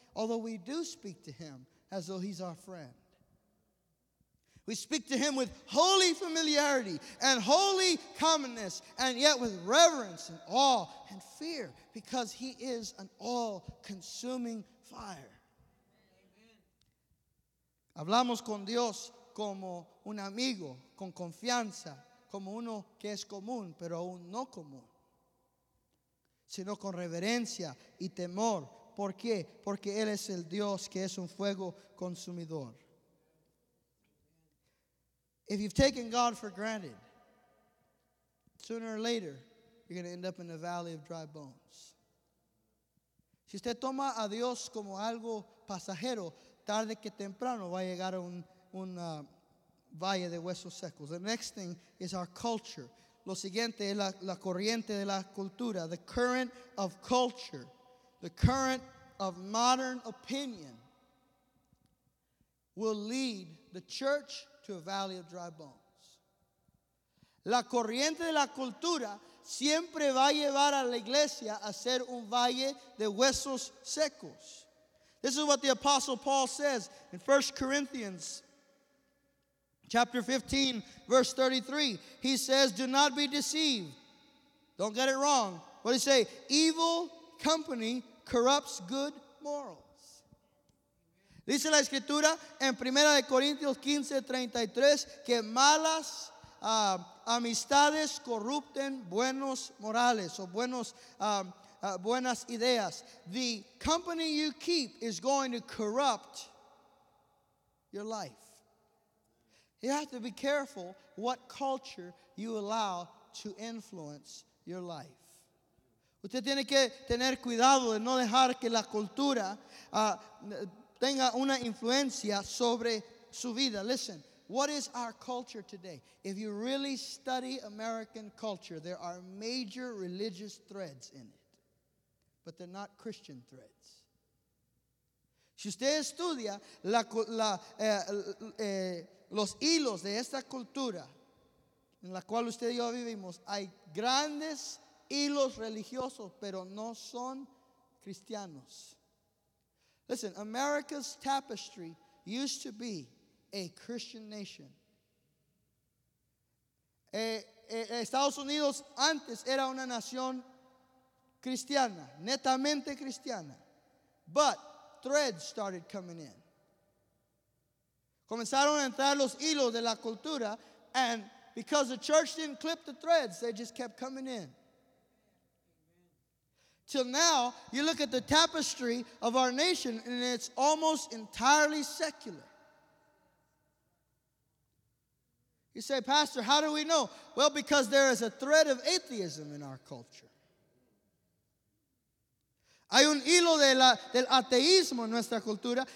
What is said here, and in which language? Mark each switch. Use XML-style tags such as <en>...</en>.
<en>Although we do speak to Him as though He's our friend. We speak to Him with holy familiarity and holy commonness, and yet with reverence and awe and fear, because He is an all-consuming fire.</en> <es>Hablamos con Dios como un amigo, con confianza, como uno que es común, pero aún no común, sino con reverencia y temor. ¿Por qué? Porque Él es el Dios que es un fuego consumidor.</es> <en>If you've taken God for granted, sooner or later, you're going to end up in the valley of dry bones.</en> <es>Si usted toma a Dios como algo pasajero, tarde que temprano va a llegar a un valle de huesos secos.</es> <en>The next thing is our culture.</en> <es>Lo siguiente es la corriente de la cultura.</es> <en>The current of culture. The current of modern opinion will lead the church to a valley of dry bones.</en> <es>La corriente de la cultura siempre va a llevar a la iglesia a ser un valle de huesos secos.</es> <en>This is what the Apostle Paul says in 1 Corinthians chapter 15, verse 33. He says, do not be deceived. Don't get it wrong. What does he say? Evil company corrupts good morals.</en> <es>Dice la Escritura en 1 Corintios 15, 33, que malas amistades corrupten buenos morales o buenos buenas ideas.</es> <en>The company you keep is going to corrupt your life. You have to be careful what culture you allow to influence your life.</en> <es>Usted tiene que tener cuidado de no dejar que la cultura tenga una influencia sobre su vida.</es> <en>Listen, what is our culture today? If you really study American culture, there are major religious threads in it. But they're not Christian threads.</en> <es>Si usted estudia los hilos de esta cultura en la cual usted y yo vivimos, hay grandes hilos religiosos, pero no son cristianos.</es> <en>Listen, America's tapestry used to be a Christian nation.</en> <es>Estados Unidos antes era una nación cristiana, netamente cristiana.</es> <en>But threads started coming in.</en> <es>Comenzaron a entrar los hilos de la cultura,</es> <en>and because the church didn't clip the threads, they just kept coming in. Till now, you look at the tapestry of our nation, and it's almost entirely secular. You say, Pastor, how do we know? Well, because there is a thread of atheism in our culture.</en> <es>Hay un hilo del ateísmo en nuestra cultura.</es>